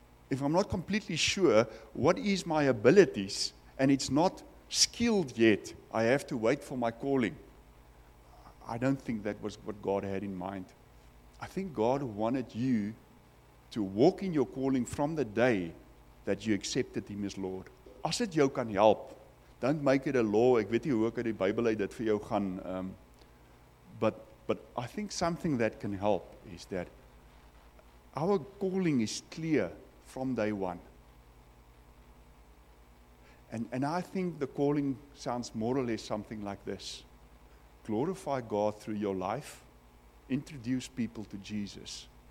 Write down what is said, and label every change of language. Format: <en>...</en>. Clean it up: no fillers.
<en>If I'm not completely sure what is my abilities and it's not skilled yet, I have to wait for my calling. I don't think that was what God had in mind. I think God wanted you to walk in your calling from the day that you accepted Him as Lord.</en> <af>As dit jou kan help,</af> <en>don't make it a law.</en> <af>Ek weet nie hoe ek uit die Bybel uit dit vir jou gaan.</af> <en>But I think something that can help is that our calling is clear from day one. And I think the calling sounds more or less something like this. Glorify God through your life. Introduce people to Jesus.</en>